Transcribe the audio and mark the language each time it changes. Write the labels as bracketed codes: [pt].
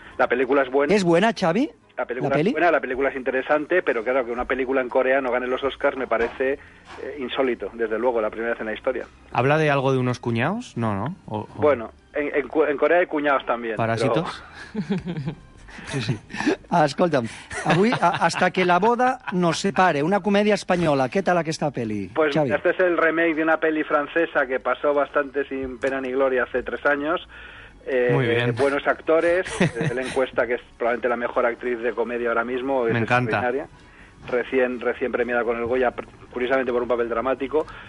[es] La película es buena. ¿Es buena, Xavi? La película ¿La peli? Es buena, la película es interesante, pero claro, que una película en Corea no gane los Oscars me parece insólito, desde luego, la primera vez en la historia. ¿Habla de algo de unos cuñados? No, ¿no? Bueno, en Corea hay cuñados también. ¿Parásitos? Pero... sí, sí. [ca] Escolta'm, avui, Hasta que la boda nos separe, una comèdia espanyola. Què tal aquesta peli, [es] pues, Xavi? Este es el remake de una peli francesa que pasó bastante sin pena ni gloria hace 3 años. Muy bien. Buenos actores, la encuesta que es probablemente la mejor actriz de comedia ahora mismo. Me encanta. Recién premiada con el Goya, curiosamente por un papel dramático.